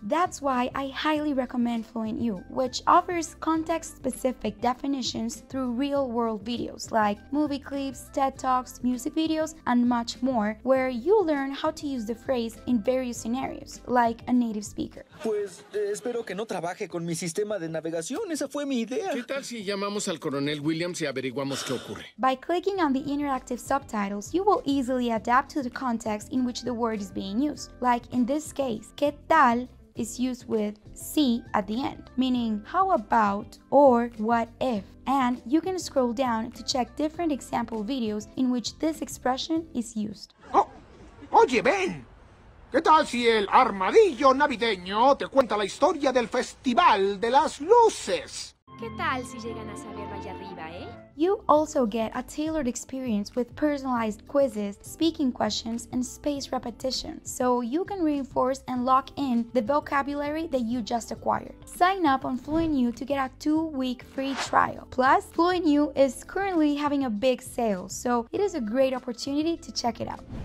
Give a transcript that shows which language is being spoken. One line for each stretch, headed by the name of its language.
English: That's why I highly recommend FluentU, which offers context-specific definitions through real-world videos like movie clips, TED Talks, music videos, and much more, where you learn how to use the phrase in various scenarios, like a native speaker.
Spanish: Pues, espero que no trabaje con mi sistema de navegación. Esa fue mi idea. ¿Qué tal si llamamos al coronel Williams y averiguamos qué ocurre?
English: By clicking on the interactive subtitles, you will easily adapt to the context in which the word is being used. Like in this case, ¿qué tal is used with si at the end, meaning how about or what if? And you can scroll down to check different example videos in which this expression is used.
Spanish: Oh, oye, ven. ¿Qué tal si el armadillo navideño te cuenta la historia del Festival de las Luces? ¿Qué tal si llegan a saber allá arriba, eh?
English: You also get a tailored experience with personalized quizzes, speaking questions, and spaced repetition, so you can reinforce and lock in the vocabulary that you just acquired. Sign up on FluentU to get a 2-week free trial. Plus, FluentU is currently having a big sale, so it is a great opportunity to check it out.